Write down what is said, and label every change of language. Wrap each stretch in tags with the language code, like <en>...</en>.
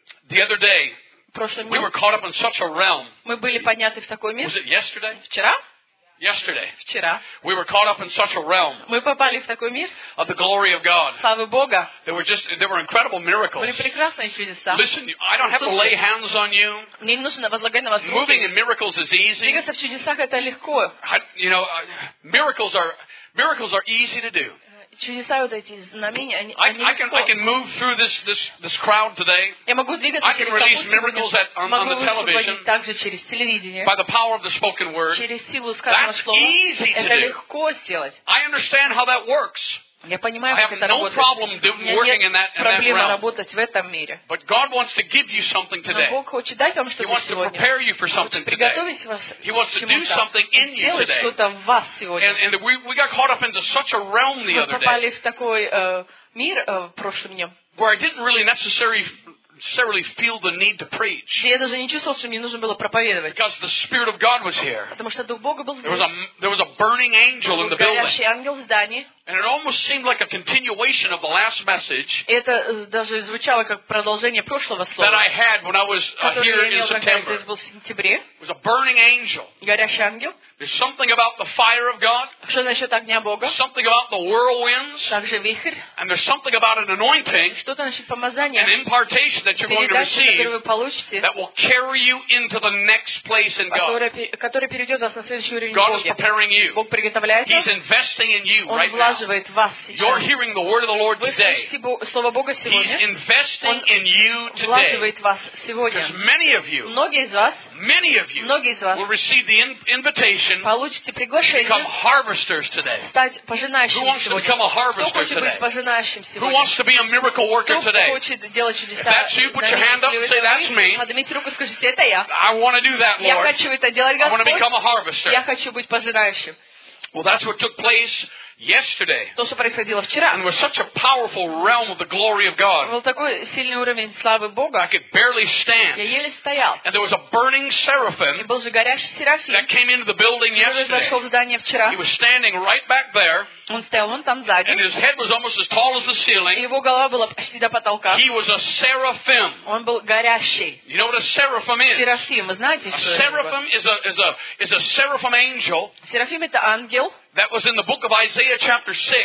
<en>The other day, we were caught up in such a realm.</en> <ru>Мы были подняты в такой мир.</ru> <en>Was it yesterday?</en> <ru>Вчера.</ru> <en>Yesterday.</en> <ru>Вчера.</ru> <en>We were caught up in such a realm.</en> <ru>Мы попали в такой мир.</ru> <en>Of the glory of God.</en> <ru>Славы Бога.</ru> <en>There were incredible miracles.</en> <ru>Были прекрасные чудеса.</ru> <en>Listen, I don't have to lay hands on you.</en> <ru>Не нужно возлагать на вас руки.</ru> <en>Moving in miracles is easy.</en> <ru>Двигаться в чудесах это легко.</ru> <en>You know, miracles are easy to do.</en> <ru>Чудеса вот эти знамения, они легко.</ru> <en>I can move through this crowd today.</en> <ru>Я могу двигаться через толпу.</ru> <en>I can release miracles on the television.</en> <ru>Могу также через телевидение.</ru> <en>By the power of the spoken word.</en> <ru>Через силу сказанного слова.</ru> <en>That's easy to do.</en> <ru>Это легко сделать.</ru> <en>I understand how that works.</en> <ru>Я понимаю, как это</ru> <en>no</en> <ru>работает. У меня нет проблемы работать в этом мире.</ru> <en>But God wants to give you something today.</en> <ru>Но Бог хочет дать вам что-то сегодня.</ru> <en>He wants to prepare you for something today.</en> <ru>Приготовить вас к чему-то.</ru> <en>He wants to do something in you today.</en> <ru>Сделать что-то в вас сегодня.</ru> <en>And we got caught up into such a realm the other day.</en> <ru>Мы попали в такой мир в прошлом дне.</ru> <en>Where I didn't really necessarily feel the need to preach.</en> <ru>Я даже не чувствовал, что мне нужно было проповедовать.</ru> <en>Because the spirit of God was here.</en> <ru>Потому что дух Бога был здесь.</ru> <en>There was a burning angel in the building.</en> <ru>Горящий ангел в здании.</ru> <en>And it almost seemed like a continuation of the last message.</en> <ru>Это даже звучало как продолжение прошлого слова.</ru> <en>That I had when I was here in September.</en> <ru>Здесь был в сентябре.</ru> <en>It was a burning angel.</en> <ru>Горящий ангел.</ru> <en>There's something about the fire of God.</en> <ru>Что насчет огня Бога?</ru> <en>Something about the whirlwinds.</en> <ru>Также вихрь.</ru> <en>And there's something about an anointing.</en> <ru>Что-то насчет помазания.</ru> <en>An impartation that you're going to receive. That will carry you into the next place in God.</en> <ru>Который перейдет вас на следующий уровень.</ru> <en>God is preparing you.</en> <ru>Бог приготовляет вас.</ru> <en>He's investing in you right now. You're hearing the word of the Lord today. He's investing in you today. Because many of you will receive the invitation to become harvesters today. Who wants to become a harvester today? Who wants to be a miracle worker today? If that's you, put your hand up and say, that's me. I want to do that, Lord. I want to become a harvester. Well, that's what took place yesterday.</en> <ru>То, что происходило вчера.</ru> <en>And was such a powerful realm of the glory of God.</en> <ru>Был такой сильный уровень славы Бога.</ru> <en>I could barely stand.</en> <ru>Я еле стоял.</ru> <en>And there was a burning seraphim.</en> <ru>И был же горящий серафим.</ru> <en>That came into the building yesterday.</en> <ru>Который зашел в здание вчера.</ru> <en>He was standing right back there.</en> <ru>Он стоял вон там сзади.</ru> <en>And his head was almost as tall as the ceiling.</en> <ru>И его голова была почти до потолка.</ru> <en>He was a seraphim.</en> <ru>Он был горящий.</ru> <en>You know what a seraphim is?</en> <ru>Серафим, вы знаете, что это?</ru> <en>A seraphim is a seraphim angel.</en> <ru>Серафим это ангел.</ru> <en>That was in the book of Isaiah chapter 6.</en>